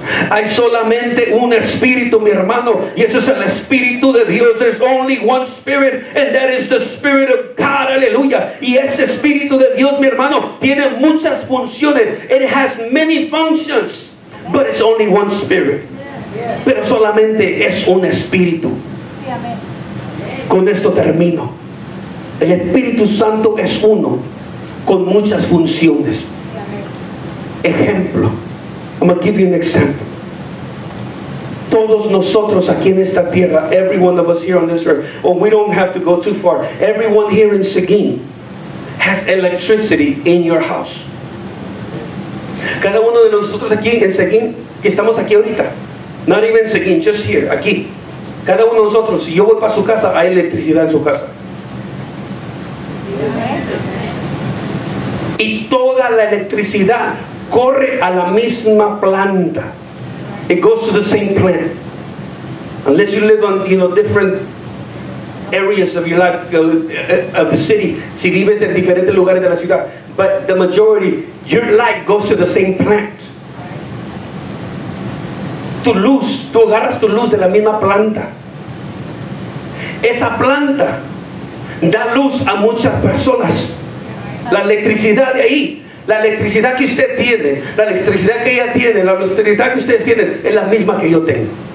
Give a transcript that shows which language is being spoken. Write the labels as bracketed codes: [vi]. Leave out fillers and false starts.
[es] Hay solamente un espíritu, mi hermano, y ese es el Espíritu de Dios. [en] There's only one spirit, and that is the Spirit of God. [es] Aleluya. Y ese Espíritu de Dios, mi hermano, tiene muchas funciones. [en] It has many functions, but it's only one spirit. [es] Pero solamente es un espíritu. Con esto termino. El Espíritu Santo es uno con muchas funciones. Ejemplo, [en] I'm going to give you an example. [es] Todos nosotros aquí en esta tierra, [en] every one of us here on this earth, or we don't have to go too far, everyone here in Seguin has electricity in your house. [es] Cada uno de nosotros aquí en Seguin, que estamos aquí ahorita, [en] not even Seguin, just here, [es] aquí. Cada uno de nosotros, si yo voy para su casa, hay electricidad en su casa. Y toda la electricidad corre a la misma planta. [en] It goes to the same plant. Unless you live on, you know, different areas of your life, of the city. [es] Si vives en diferentes lugares de la ciudad. [en] But the majority, your light goes to the same plant. [es] Tu luz, tú agarras tu luz de la misma planta. Esa planta da luz a muchas personas. La electricidad de ahí, la electricidad que usted tiene, la electricidad que ella tiene, la electricidad que ustedes tienen, es la misma que yo tengo.